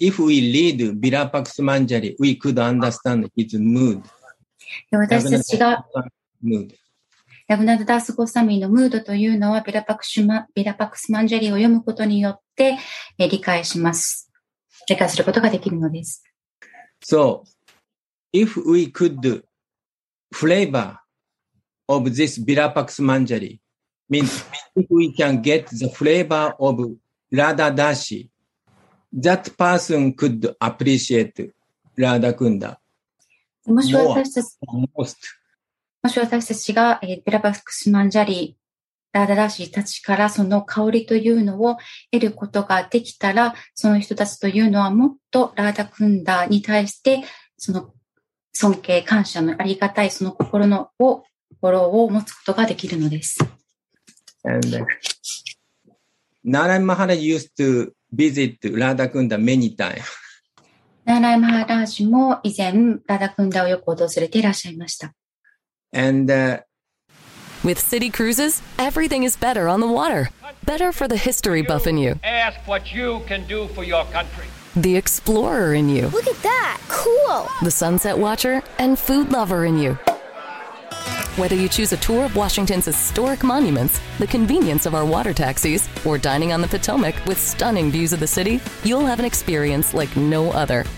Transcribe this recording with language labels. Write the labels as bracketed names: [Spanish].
[English] If we read Virapaksamanjari, we could understand its mood. [Japanese] 私たちが、ラブナダダスゴサミのムードというのはビラパクスマンジャリを読むことによって理解します。理解することができるのです。 [English] So, if we could flavor of this ビラパクスマンジャリ means if we can get the flavor of Radha Dashi, that person could appreciate Radha Kunda. [Japanese] もし私たちが、ビラパクスマンジャリラダダシたちからその香りというのを得ることができたら、その人たちというのはもっとラダクンダに対してその尊敬感謝のありがたいその心の心を持つことができるのです。 [English] And ナーライマハラジ used to visit ラダクンダ many times [Japanese] ナーライ・マハラージも以前ラダクンダをよく訪れていらっしゃいました。 [English] And, With city cruises, everything is better on the water. Better for the history buff in you. Ask what you can do for your country. The explorer in you. Look at that! Cool! The sunset watcher and food lover in you. Whether you choose a tour of Washington's historic monuments, the convenience of our water taxis, or dining on the Potomac with stunning views of the city, you'll have an experience like no other.